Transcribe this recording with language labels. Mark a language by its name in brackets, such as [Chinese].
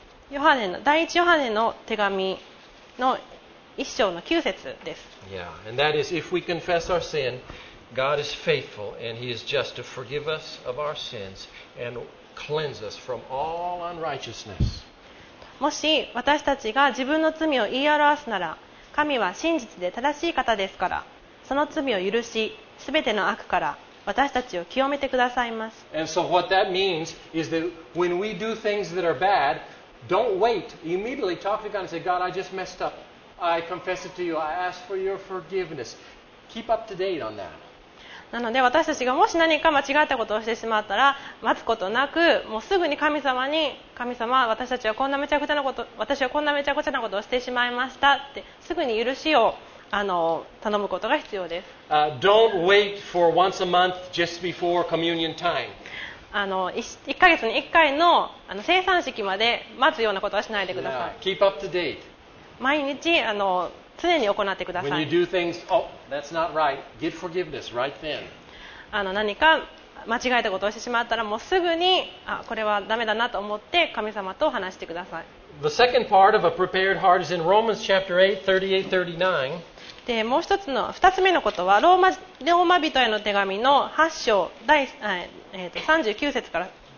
[Japanese] ヨハネの第1ヨハネの手紙の1章の9節です。 [English] Yeah, and that is if we confess our sin, God is faithful and He is just to forgive us of our sins and cleanse us from all unrighteousness. [Japanese] もし私たちが自分の罪を言い表すなら、神は真実で正しい方ですから、その罪を許し、すべての悪から私たちを清めてくださいます。 [English] And so what that means is that when we do things that are bad,Don't wait. Immediately talk to God and say, God, I just messed up. I confess it to you. I ask for your forgiveness. Keep up to date on that. [Japanese] なので私たちがもし何か間違ったことをしてしまったら待つことなくもうすぐに神様に神様私たちはこんなめちゃくちゃなこと私はこんなめちゃくちゃなことをしてしまいましたってすぐに許しを頼むことが必要です。 [English] Don't wait for once a month just before communion time. [Japanese] 1ヶ月に1回 の, 生産式まで待つようなことはしないでください。 [English] Yeah. Keep up to date. [Japanese] 毎日常に行ってください。 [English] When you do things, oh, that's not right. Get forgiveness right then. [Japanese] 何か間違えたことをしてしまったらもうすぐにこれはダメだなと思って神様と話してください。 [English] The second part of a prepared heart is in Romans chapter 8, 38-39. [Japanese] でもう一つの二つ目のことはローマ人への手紙の8章第39節から